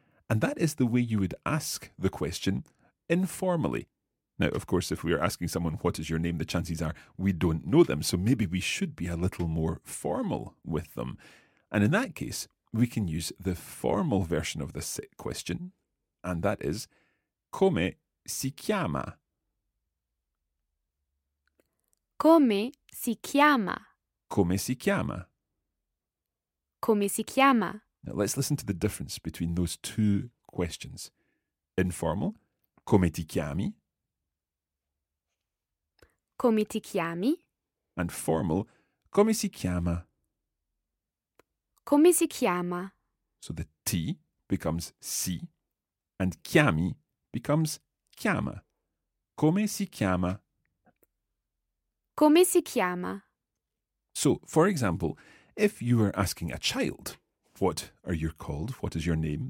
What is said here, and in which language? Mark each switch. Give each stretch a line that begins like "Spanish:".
English: And that is the way you would ask the question informally. Now, of course, if we are asking someone what is your name, the chances are we don't know them. So maybe we should be a little more formal with them. And in that case, we can use the formal version of the question. And that is,
Italian: come si chiama? Come si chiama? Come si chiama? Come si chiama?
English: Now let's listen to the difference between those two questions.
Italian: Informal, come ti chiami? Come ti chiami?
English: And formal,
Italian: come si chiama? Come si chiama?
English: So the T becomes si and chiami becomes chiama.
Italian: Come si chiama? Come si chiama?
English: So, for example, if you were asking a child, what are you called? What is your name?